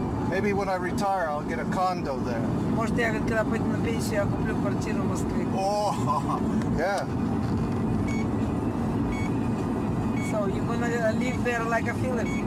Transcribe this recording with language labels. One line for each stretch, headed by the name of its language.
English: Maybe when I retire, I'll get a condo there.
Russian: Может, я когда пойду на пенсию, я куплю квартиру в Москве.
English: Oh, yeah. So you're gonna live there like a Philip?